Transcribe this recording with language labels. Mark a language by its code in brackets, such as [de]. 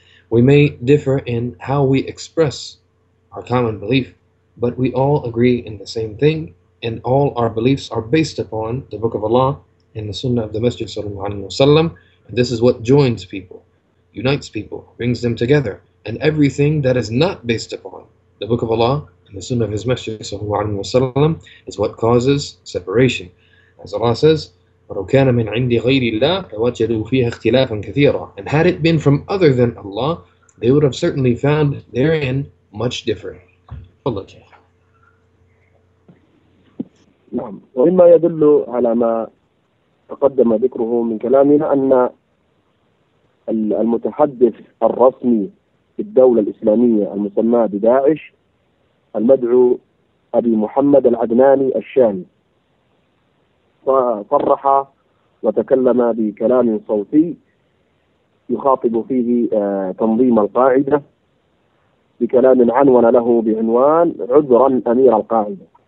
[en] We may differ in how we express our common belief, but we all agree in the same thing, and all our beliefs are based upon the Book of Allah and the Sunnah of the Messenger Sallallahu Alaihi Wasallam. This is what joins people, unites people, brings them together. And everything that is not based upon the Book of Allah and the Sunnah of His Messenger Sallallahu Alaihi Wasallam is what causes separation. As Allah says, [ar] وَرَوْكَانَ مِنْ عِنْدِ غَيْرِ اللَّهِ لَوَجَدُوا فِيهَا اخْتِلَافًا كَثِيرًا. [en] And had it been from other than Allah, they would have certainly found therein much different. Allah Jaya. [ar] نعم. ومما يدل على ما تقدم ذكره من كلامنا أن المتحدث الرسمي في الدولة الإسلامية المسمى بداعش المدعو أبي محمد العدناني الشامي صرح وتكلم بكلام صوتي يخاطب فيه تنظيم القاعدة بكلام عنون له بعنوان عذرا أمير القاعدة.